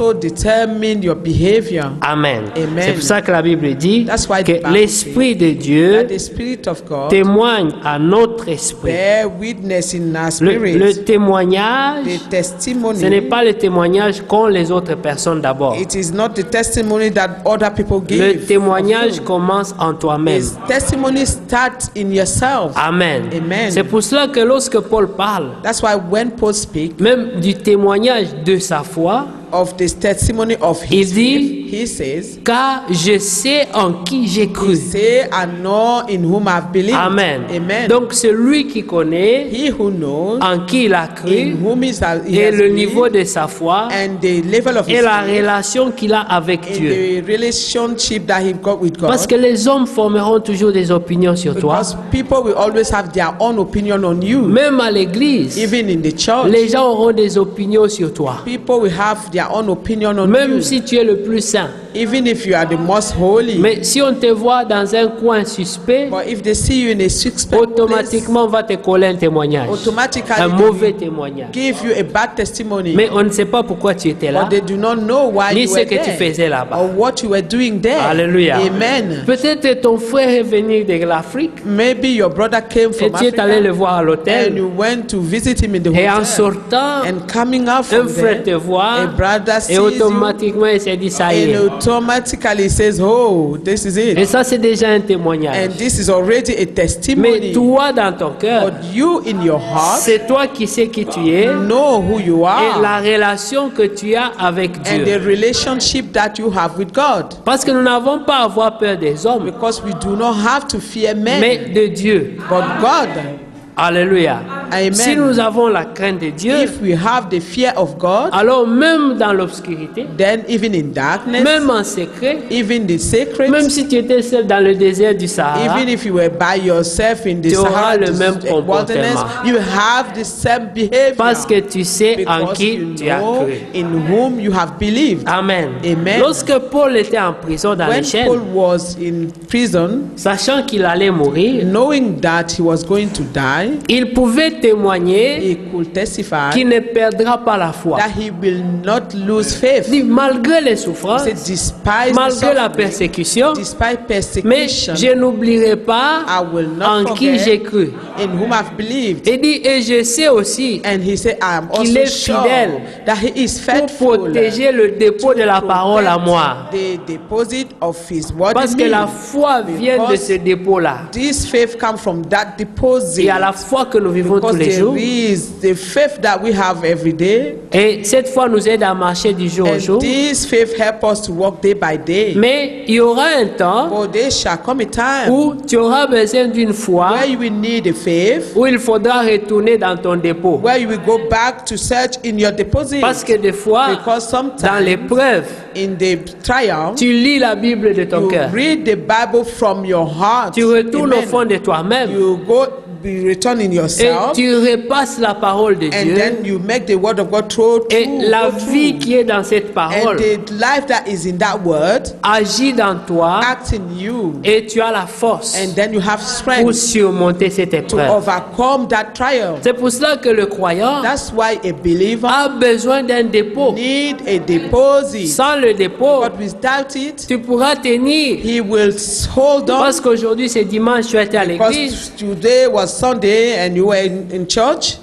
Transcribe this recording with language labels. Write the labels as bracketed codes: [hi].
[en] Determine your behavior. [fr] Amen. [en] Amen. [fr] C'est pour ça que la Bible dit que l'Esprit de Dieu témoigne à notre esprit. [en] Bear witness in our spirit. [fr] Le témoignage, [en] the testimony, [fr] ce n'est pas le témoignage qu'ont les autres personnes d'abord. [en] It is not the testimony that other people give. [fr] Le témoignage commence en toi-même. [en] His testimony starts in yourself. [fr] Amen. [en] Amen. [fr] C'est pour cela que lorsque Paul parle, [en] that's why when Paul speaks, [fr] même du témoignage de sa foi, [en] of the testimony of his [fr] il dit, [en] he says, [fr] car je sais en qui j'ai cru. [en] He say, I know in whom I've believed. [fr] Amen. [en] Amen. [fr] Donc celui qui connaît, [en] he who knows, [fr] en qui il a cru, [en] in whom he has [fr] et le [en] believed, [fr] niveau de sa foi, [en] and the level of [fr] et la relation qu'il a avec Dieu. [en] The relationship that he got with God. [fr] Parce que les hommes formeront toujours des opinions sur [en] because [fr] toi. [en] People will always have their own opinion on you. [fr] Même à l'église, [en] even in the church, [fr] les gens auront des opinions sur toi. [en] People will have their own opinion on [fr] même [en] you. [fr] Si tu es le plus saint, [en] even if you are the most holy, [fr] mais si on te voit dans un coin suspect, [en] but if they see you in a suspect [fr] automatiquement [en] place, [fr] on va te coller un témoignage, [en] automatically [fr] un mauvais témoignage, [en] give you a bad testimony. [fr] Mais on ne sait pas pourquoi tu étais là, [en] but they do not know why [fr] ni [en] you [fr] ce [en] were [fr] que [en] there, [fr] tu faisais là-bas, [en] or what you were doing there. [fr] Alléluia. [en] Amen. [fr] Peut-être ton frère est venu de l'Afrique, [en] maybe your brother came from [fr] et tu es allé [en] Africa, [fr] le voir à l'hôtel, [en] and you went to visit him in the hotel, [fr] et en sortant, [en] and coming out from [fr] un frère [en] there, [fr] te voit, [en] a brother sees [fr] et automatiquement [en] you, [fr] il s'est dit ça y est. [en] Automatically says, oh, this is it. [fr] Et ça, c'est déjà un témoignage. [en] And this is already a testimony. [fr] Mais toi, dans ton cœur, [en] but you in your heart, [fr] c'est toi qui sais qui tu es, [en] know who you are, [fr] et la relation que tu as avec Dieu, [en] and the relationship that you have with God. [fr] Parce que nous n'avons pas à avoir peur des hommes, [en] because we do not have to fear men, [fr] mais de Dieu, [en] but God. [fr] Alléluia. [en] Amen. [fr] Si nous avons la crainte de Dieu, [en] if we have the fear of God, [fr] alors même dans l'obscurité, [en] then even in darkness, [fr] même en secret, [en] even the secret, [fr] même si tu étais seul dans le désert du Sahara, [en] even if you were by yourself in the Sahara, [fr] tu auras le même comportement. [en] You have the same behavior. [fr] Parce que tu sais en qui tu as cru. [en] In whom you have believed. [fr] Amen. [en] Amen. [fr] Lorsque Paul était en prison dans [en] when [fr] les chaînes, [en] Paul was in prison, [fr] sachant qu'il allait mourir, [en] knowing that he was going to die, [fr] il pouvait témoigner, [en] he could testify, [fr] qu'il ne perdra pas la foi, [en] that he will not lose faith, [fr] malgré les souffrances, [en] said, despite [fr] malgré la persécution, [en] despite persecution, [fr] mais je n'oublierai pas [en] I will not [fr] en qui j'ai cru. [en] In whom I've believed. [fr] Et dit et je sais aussi, [en] and he said, I am also [fr] qu'il est fidèle, [en] sure that he is faithful, [fr] pour protéger le dépôt de la parole à moi. [en] The deposit of his word. [fr] Parce que la foi vient de ce dépôt-là. [en] This faith comes from that deposit. [fr] Et à la foi que nous vivons [en] because [fr] tous les jours. [en] Is the faith that we have every day. [fr] Et cette foi nous aide à marcher du jour [en] and [fr] au jour. [en] This faith helps us to walk day by day. [fr] Mais il y aura un temps [en] shall come a time [fr] où tu auras besoin d'une foi [en] where you will need a faith, [fr] où il faudra retourner dans ton dépôt. [en] Where you will go back to search in your deposit. [fr] Parce que des fois, [en] because sometimes, [fr] dans l'épreuve, [en] in the trial, [fr] tu lis la Bible de ton cœur. [en] You read the Bible from your heart. [fr] Tu retournes au fond de toi-même. [en] You go be returning yourself. [fr] Et tu repasses la parole de [en] and [fr] Dieu. [en] And then you make the word of God true. [fr] Et [en] true, [fr] la vie qui est dans cette parole. [en] And the life that is in that word [fr] agit dans toi. [en] Acts in you. [fr] Et tu as la force. [en] And then you have strength [fr] pour surmonter cette épreuve. [en] To overcome that trial. [fr] C'est pour cela que le croyant, [en] that's why a believer, [fr] a besoin d'un dépôt. [en] Need a deposit. [fr] Sans le dépôt, [en] but without it, [fr] tu pourras tenir. [en] He will hold on. [fr] Parce qu'aujourd'hui c'est dimanche, tu étais à l'église. [en] Because today was Sunday and you were in church.